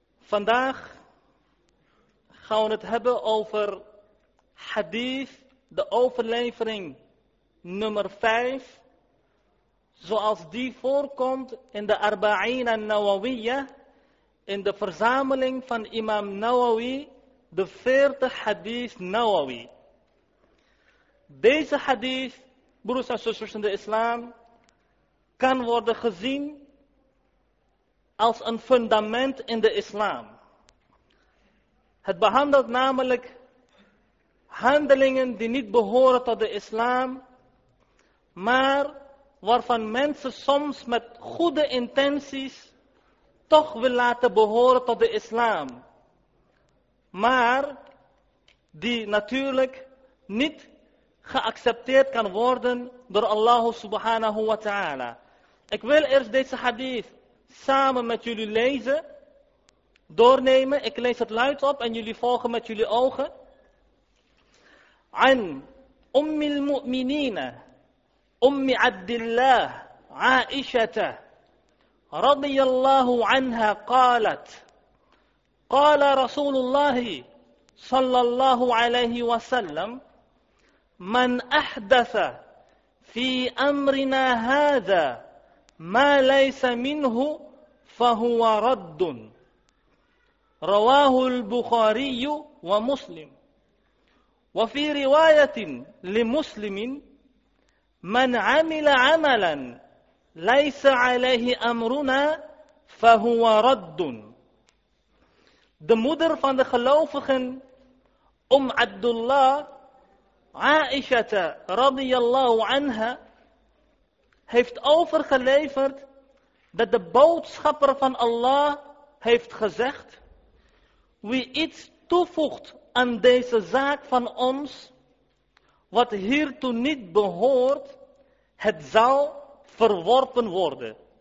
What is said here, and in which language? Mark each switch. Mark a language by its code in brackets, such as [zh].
[nl] vandaag gaan we het hebben over hadith de overlevering nummer 5 zoals die voorkomt in de Arba'in al-Nawawiyya, in de verzameling van imam Nawawi, de 40 hadith Nawawi. Deze hadith, broers en zusters in de islam, kan worden gezien als een fundament in de islam. Het behandelt namelijk handelingen die niet behoren tot de islam, maar waarvan mensen soms met goede intenties toch willen laten behoren tot de islam. Maar die natuurlijk niet geaccepteerd kan worden door Allah subhanahu wa ta'ala. Ik wil eerst deze hadith samen met jullie lezen, doornemen. Ik lees het luid op en jullie volgen met jullie ogen. [ar] An ummil mu'minina. أم عبد الله عائشة رضي الله عنها قالت قال رسول الله صلى الله عليه وسلم من أحدث في أمرنا هذا ما ليس منه فهو رد رواه البخاري ومسلم وفي رواية لمسلم من عمل عملا ليس عليه أمرنا فهو رد. [nl] De moeder van de gelovigen, Abdullah, Aisha radiyallahu anha, heeft overgeleverd dat de boodschapper van Allah heeft gezegd: wie iets toevoegt aan deze zaak van ons, wat hiertoe niet behoort, het zal verworpen worden.